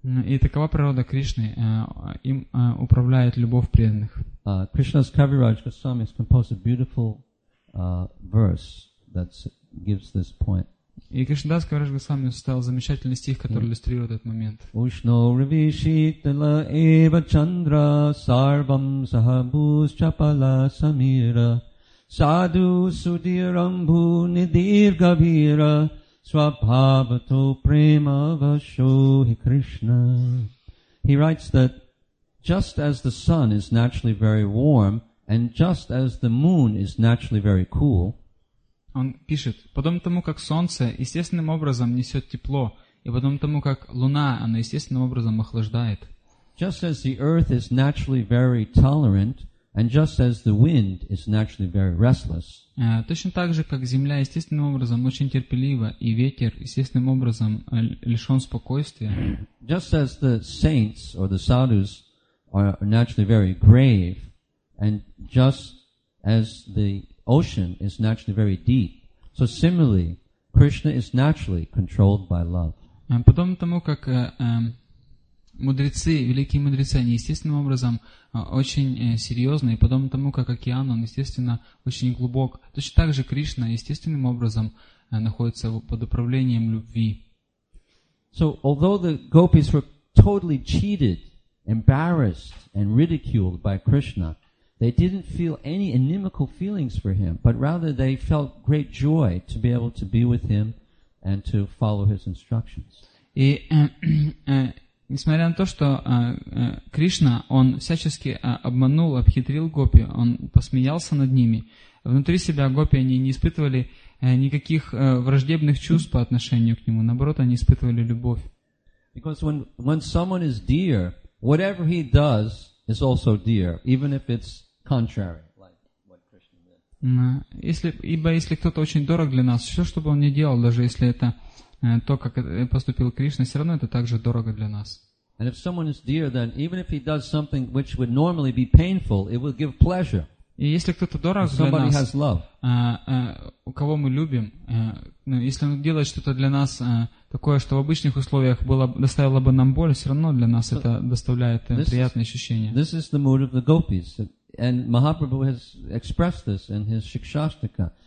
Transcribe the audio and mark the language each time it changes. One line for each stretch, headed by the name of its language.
Russian: И такова природа Кришны. Им управляет любовь преданных.
English: Krishna's Kaviraj Goswami has composed a beautiful verse that gives this point.
Russian: И Кришнадас Кавирадж Госвами составил замечательный стих, который иллюстрирует этот момент.
Sanskrit: Ушно риви шитла эва чандра сарвам сахабус чапала самира саду судирамбу нидиргавира свабхавато према вашо хи Кришна.
English: He writes that just as the sun is naturally very warm and just as the moon is naturally very cool,
Russian: он пишет, подобно тому, как солнце естественным образом несет тепло, и подобно тому, как луна, она естественным образом охлаждает.
English: Just as the earth is naturally very tolerant, and just as the wind is naturally very restless.
Russian: Точно так же, как земля естественным образом очень терпелива, и ветер естественным образом лишен спокойствия.
English: Just as the saints or the sadhus are naturally very grave, and just as the ocean is naturally very deep. So similarly, Krishna is naturally controlled by love.
Russian: Подобно тому, как мудрецы, великие мудрецы, они естественным образом очень серьезны, и подобно тому, как океан, он естественно очень глубок, точно так же Кришна естественным образом находится под управлением любви.
English: So although the gopis were totally cheated, embarrassed, and ridiculed by Krishna, they didn't feel any inimical feelings for him, but rather they felt great joy to be able to be with him and to follow his instructions.
Russian: И несмотря на то, что Кришна, он всячески обманул, обхитрил гопи, он посмеялся над ними, внутри себя гопи, они не испытывали никаких враждебных чувств по отношению к нему, наоборот, они испытывали любовь.
English: Because when someone is dear, whatever he does is also dear, even if it's contrary, like what Krishna did.
Russian: Если кто-то очень дорог для нас, все, что бы он ни делал, даже если это то, как поступил Кришна, все равно это также дорого для нас.
English: And if someone is dear, then even if he does something which would normally be painful, it will give pleasure.
Russian: И если кто-то дорог для
English: somebody
Russian: нас,
English: has love.
Russian: У кого мы любим, если он делает что-то для нас такое, что в обычных условиях было, доставило бы нам боль, все равно для нас это доставляет приятные ощущения.
English: This is the mood of the gopis. And Mahaprabhu has expressed this in his Shikshastika.